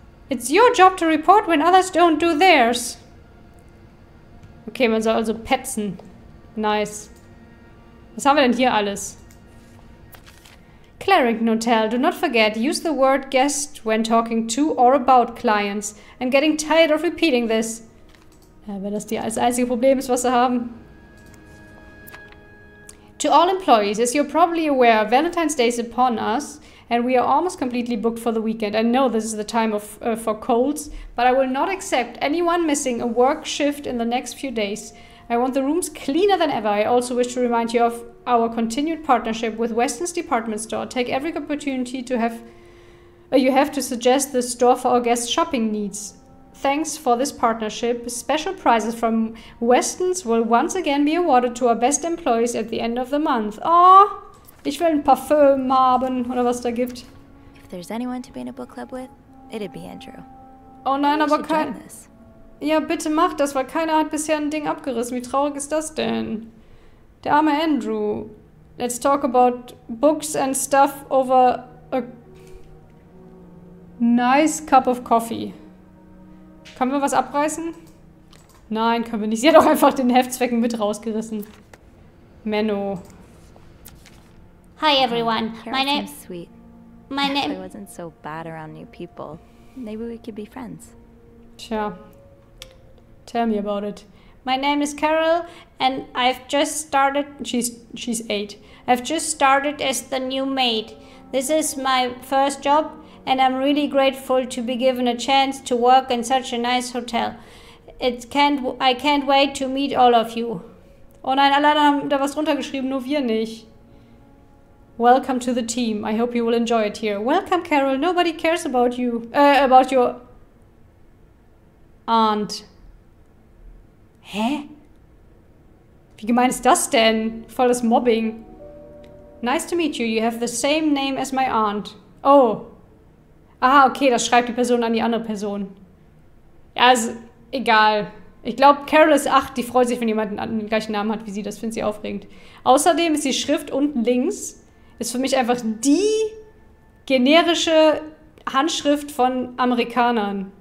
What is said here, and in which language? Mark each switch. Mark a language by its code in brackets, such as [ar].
[en] It's your job to report when others don't do theirs. [de] Okay, man soll also petzen. [en] Nice. [de] Was haben wir denn hier alles? [en] Clarington Hotel, do not forget, use the word guest when talking to or about clients. I'm getting tired of repeating this. [de] Ja, wenn das das einzige Problem ist, was sie haben. [en] To all employees, as you're probably aware, Valentine's Day is upon us, and we are almost completely booked for the weekend. I know this is the time of for colds, but I will not accept anyone missing a work shift in the next few days. I want the rooms cleaner than ever. I also wish to remind you of our continued partnership with Weston's Department Store. Take every opportunity to have to suggest the store for our guests' shopping needs. Thanks for this partnership. Special prizes from Weston's will once again be awarded to our best employees at the end of the month. [de] Aww, ich will ein Parfüm haben oder was da gibt. [en] If there's anyone to be in a book club with, it'd be Andrew. [de] Oh nein, aber kein... Ja, bitte mach das, weil keiner hat bisher ein Ding abgerissen. Wie traurig ist das denn? Der arme Andrew. [en] Let's talk about books and stuff over a nice cup of coffee. [de] Können wir was abreißen? Nein, können wir nicht. Sie hat auch einfach den Heftzwecken mit rausgerissen. Menno. [en] Hi everyone. My name is sweet. My name wasn't so bad around new people. Maybe we could be friends. Tja. Tell me about it. My name is Carol and I've just started she's 8. I've just started as the new maid. This is my first job. And I'm really grateful to be given a chance to work in such a nice hotel. I can't wait to meet all of you. [de] Oh nein, alle haben da was runtergeschrieben, nur wir nicht. [en] Welcome to the team. I hope you will enjoy it here. Welcome, Carol. Nobody cares about you. About your aunt. Hä? [de] Wie gemein ist das denn? Volles Mobbing. [en] Nice to meet you. You have the same name as my aunt. Oh. [de] Ah, okay, das schreibt die Person an die andere Person. Ja, also, egal. Ich glaube, Carol ist 8, die freut sich, wenn jemand den gleichen Namen hat wie sie. Das findet sie aufregend. Außerdem ist die Schrift unten links, ist für mich einfach die generische Handschrift von Amerikanern.